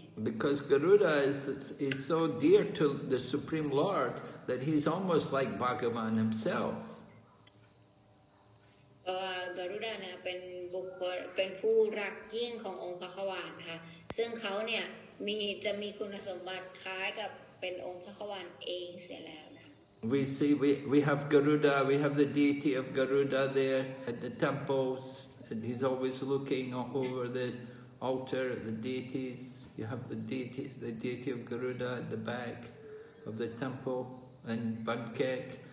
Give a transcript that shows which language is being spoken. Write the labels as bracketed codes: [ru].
[en] Because Garuda is so dear to the Supreme Lord that he's almost like Bhagavan himself. [th] กรุดาเนี่ยเป็นบุคคลเป็นผู้รักยิ่งขององค์พระขวานค่ะซึ่งเขาเนี่ยมีจะมีคุณสมบัติคล้ายกับเป็นองค์พระขวานเองเสียแล้ว [en] We see, we have Garuda, we have the deity of Garuda there at the temples, and he's always looking over the altar at the deities. You have the deity of Garuda at the back of the temple in Bangkek.